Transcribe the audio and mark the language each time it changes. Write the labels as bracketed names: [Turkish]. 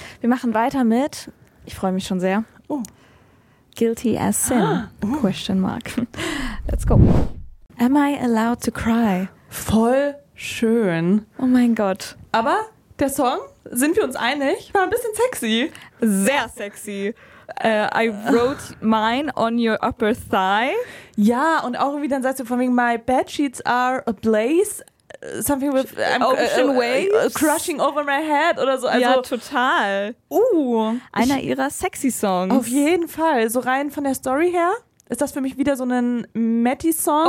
[German] Wir machen weiter mit, ich freue mich schon sehr, Guilty as Sin? [English] Question mark. Let's go. Am I allowed to cry? [German] Voll schön. Oh mein Gott. Aber der Song, sind wir uns einig, war ein bisschen sexy. Sehr sexy. [English] I wrote mine on your upper thigh. [German] Ja, und auch irgendwie dann sagst du von wegen, [English] my bedsheets are ablaze. Something with ocean waves crushing over my head [German] oder so. Also, ja, total. Einer ihrer sexy Songs. Auf jeden Fall. So rein von der Story her ist das für mich wieder so ein Matty-Song.